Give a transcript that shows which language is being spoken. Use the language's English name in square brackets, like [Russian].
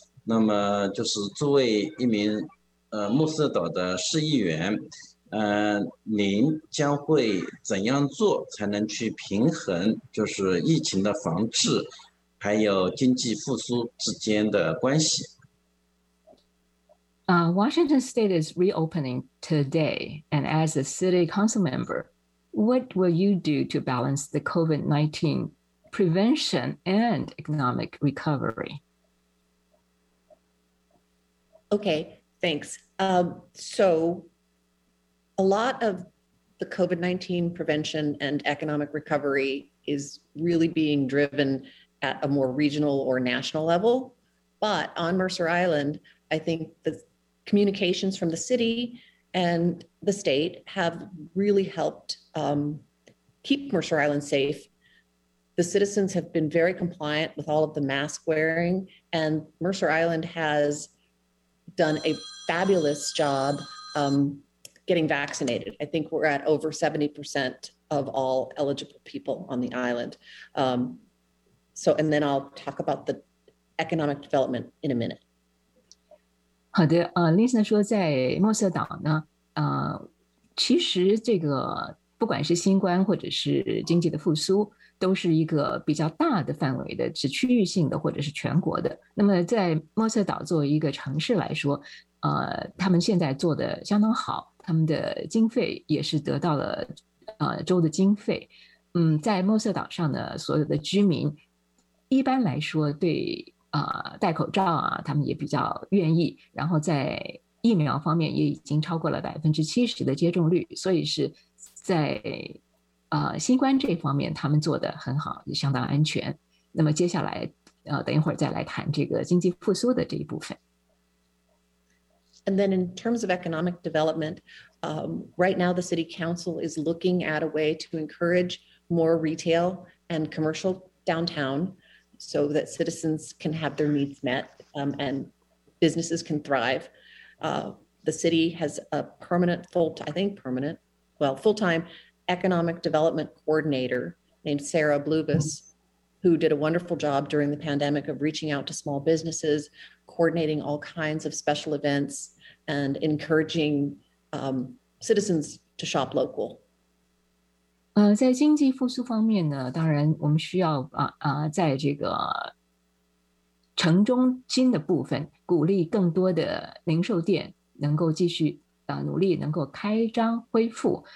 [Chinese] 那么就是作为一名穆斯岛的市议员，您将会怎样做才能去平衡就是疫情的防治还有经济复苏之间的关系？ [English] Washington State is reopening today, and as a city council member, what will you do to balance the COVID-19 prevention and economic recovery? Okay, thanks. So a lot of the COVID-19 prevention and economic recovery is really being driven at a more regional or national level. But on Mercer Island, I think the communications from the city and the state have really helped keep Mercer Island safe. The citizens have been very compliant with all of the mask wearing, and Mercer Island has done a fabulous job getting vaccinated. I think we're at over 70% of all eligible people on the island. So, and then I'll talk about the economic development in a minute. [Chinese] 好的，Lisa 说在莫瑟岛呢，其实这个不管是新冠或者是经济的复苏，都是一个比较大的范围的，是区域性的或者是全国的。那么在莫瑟岛作为一个城市来说，他们现在做的相当好，他们的经费也是得到了州的经费。在莫瑟岛上的所有的居民，一般来说对戴口罩啊他们也比较愿意，然后在疫苗方面也已经超过了70%的接种率，所以是在新冠这方面他们做得很好，也相当安全。那么接下来等一会儿再来谈这个经济复苏的这一部分。 [English] And then in terms of economic development, right now the city council is looking at a way to encourage more retail and commercial downtown. So that citizens can have their needs met and businesses can thrive. The city has a permanent, full-time economic development coordinator named Sarah Blubus, who did a wonderful job during the pandemic of reaching out to small businesses, coordinating all kinds of special events, and encouraging citizens to shop local. [Chinese] 在经济复苏方面呢，当然我们需要在这个城中心的部分鼓励更多的零售店能够继续努力能够开张恢复。